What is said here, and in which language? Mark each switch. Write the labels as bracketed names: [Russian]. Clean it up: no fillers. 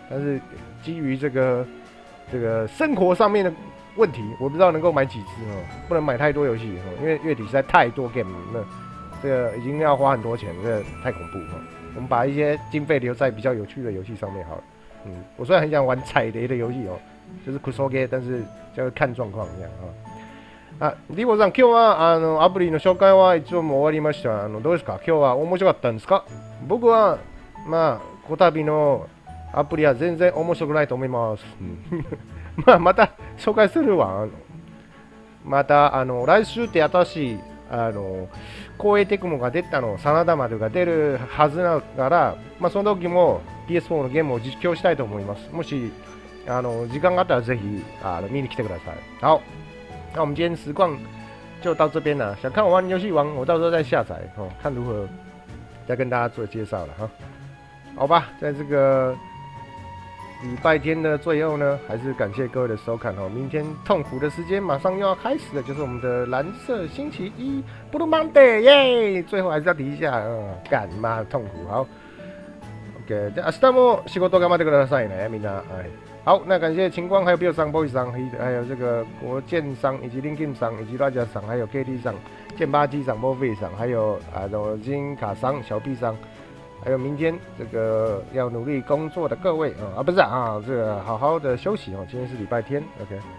[Chinese] 但是基于这个生活上面的问题，我不知道能够买几只哦，不能买太多游戏哦，因为月底实在太多 game 了，这个已经要花很多钱，这个太恐怖哦。我们把一些经费留在比较有趣的游戏上面好了。嗯，我虽然很想玩踩雷的游戏哦，就是 Kusoge， 但是就要看状况这样啊。 [Japanese] 啊，リボさん、今日はあのアプリの紹介は一応もう終わりました。あのどうですか？今日は面白かったんですか？僕はまあこたびのアプリは全然面白くないと思います。まあまた紹介するわ。またあの来週って新しいあの光栄テクモが出たの、真田丸が出るはずだから、まあ、その時も PS4 のゲームを実況したいと思います。もしあの時間があったらぜひ見に来てください。 [Chinese] 好，那我们今天实况就到这边了，想看我玩游戏王我到时候再下载、哦、看如何再跟大家做介绍了、哦、好吧，在这个礼拜天的最后呢，还是感谢各位的收看、哦、明天痛苦的时间马上又要开始了，就是我们的蓝色星期一 Blue Monday 耶，最后还是要提一下、嗯、干嘛痛苦。好 [Japanese] OK， 明日も仕事頑張ってくださいね、みんな。 [Chinese] 好，那感谢秦光，还有 Bill 桑、Boy 桑，还有这个国建桑，以及 Linkin 桑，以及 Raja 桑，还有 KT 桑、剑八机桑、Movie 桑，还有啊，罗金卡桑、小 B 桑，还有明天这个要努力工作的各位、嗯、啊，不是 啊，这个好好的休息哦，今天是礼拜天 ，OK。